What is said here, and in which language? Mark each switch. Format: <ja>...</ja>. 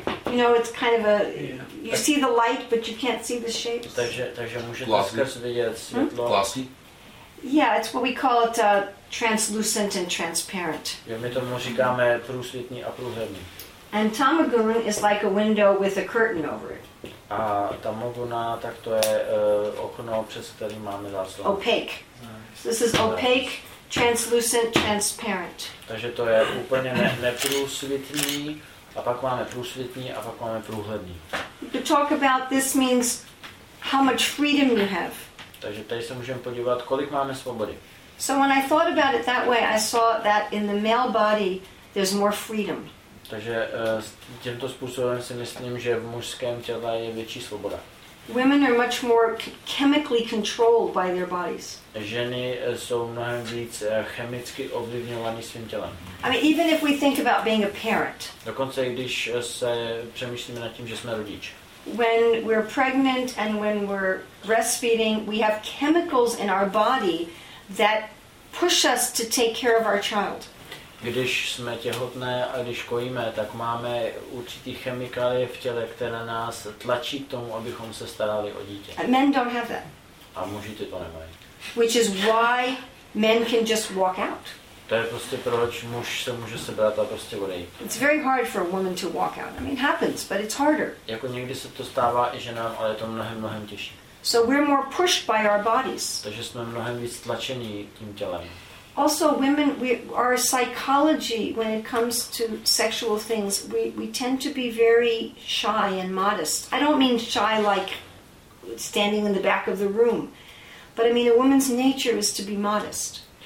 <en>You know, it's kind of a you see the light, but you can't see the shapes.</en> <cs>Takže můžete skrz vidět světlo.</cs> <en>Glossy. Yeah, it's what we call it translucent and transparent.</en> <cs>Jo, my tomu říkáme průsvětný a průhledný.</cs> <en>And tamaguna is like a window with a curtain over it.</en> <cs>A tamaguna, tak to je okno, přes který máme záclonu.</cs> <en>Opaque. This is opaque, translucent, transparent.</en> <cs>Takže to je úplně neprůsvitný, a pak máme průsvitný, a pak máme průhledný.</cs> <en>To talk about this means how much freedom you have.</en> <cs>Takže tady se můžeme podívat, kolik máme svobody.</cs> <en>So when I thought about it that way, I saw that in the male body there's more freedom.</en> <cs>Takže tímto způsobem si myslím, že v mužském těle je větší svoboda.</cs> <en>Women are much more chemically controlled by their bodies.</en> <cs>Ženy jsou mnohem víc chemicky ovlivňovány svým tělem.</cs> <en>I mean, even if we think about being a parent.</en> <cs>Dokonce když se přemýšlíme nad tím, že jsme rodič.</cs> <en>When we're pregnant and when we're breastfeeding, we have chemicals in our body that push us to take care of our child.</en> <cs>Když jsme těhotné a když kojíme, tak máme určitý chemikálie v těle, které nás tlačí k tomu, abychom se starali o dítě.</cs> <en>And men don't have that.</en> <cs>A muži to nemají.</cs> <en>Which is why men can just walk out.</en> <cs>To je prostě proč muž se může sebrat a prostě odejít.</cs> <en>It's very hard for a woman to walk out. I mean, it happens, but it's harder.</en> <cs>Jako někdy se to stává i ženám, ale je to mnohem, mnohem těžší.</cs> <en>So we're more pushed by our bodies.</en> <cs>Takže jsme mnohem víc tlačení tím tělem.</cs> <en>Also, women, our psychology, when it comes to sexual things, we tend to be very shy and modest. I don't mean shy like standing in the back of the room, but I mean a woman's nature is to be modest.</en>